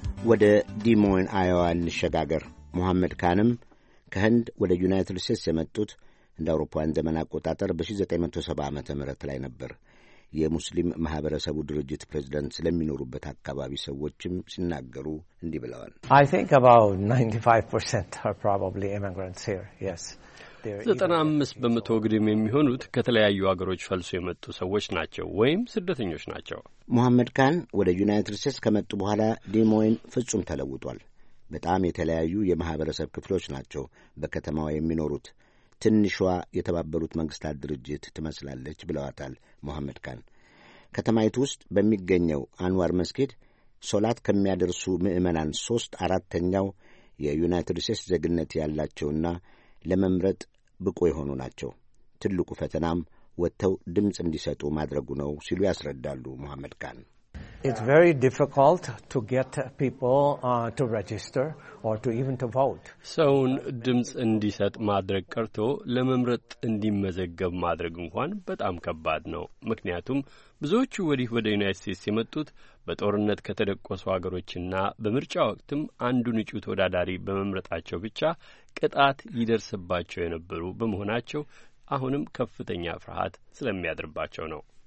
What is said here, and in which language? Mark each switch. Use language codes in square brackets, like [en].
[am] ወደ ዲሞይን አዮዋ እንሸጋገር። መሐመድ ካንም ከህንድ ወደ ዩናይትድ ስቴትስ የመጡት እንደ አውሮፓውያን ዘመን አቆጣጠር በ1970 ዓመተ ምህረት ላይ ነበር። የሙስሊም ማህበረሰቡ ድርጅት ፕሬዝዳንት ስለሚኖሩበት አካባቢ ሰዎችም ሲናገሩ እንዲህ ብለዋል። [en] I think about 95% are probably immigrants here. Yes. [am] 95% ግድም የሚሆኑት ከተለያዩ አገሮች ፈልሶ የመጡ ሰዎች ናቸው ወይም ስደተኞች ናቸው። መሐመድ ካን ወደ ዩናይትድ ስቴትስ ከመጡ በኋላ ዲሞይን ፍጹም ተለውጧል። በጣም የተለያዩ የማህበረሰብ ክፍሎች ናቸው በከተማዋ የሚኖሩት። ትንሽዋ የተባበሩት መንግስታት ድርጅት ትመስላለች ብለዋታል መሐመድ ካን። ከተማይቱ ውስጥ በሚገኘው አንዋር መስጊድ ሶላት ከሚያደርሱ ምዕመናን 3/4 የዩናይትድ ስቴትስ ዜግነት ያላቸውና ለመምረጥ ብቁ የሆኑ ናቸው። ትልቁ ፈተናም ወጥተው ድምጽ እንዲሰጡ ማድረጉ ነው ሲሉ ያስረዳሉ መሐመድ ካን። [en] It's very difficult to get people to register or to even to vote. [am] ሰውን ድምጽ እንዲሰጥ ማድረግ ቀርቶ ለመምረጥ እንዲመዘገብ ማድረግ እንኳን በጣም ከባድ ነው። ምክንያቱም ብዙዎቹ ወዲህ ወደ ዩናይትድ ስቴትስ የመጡት በጦርነት ከተደቆሱ አገሮችና በምርጫ ወቅትም አንዱን እጩ ተወዳዳሪ በመምረጣቸው ብቻ ቅጣት ይደርስባቸው የነበሩ በመሆናቸው አሁንም ከፍተኛ ፍርሃት ስለሚያድርባቸው ነው።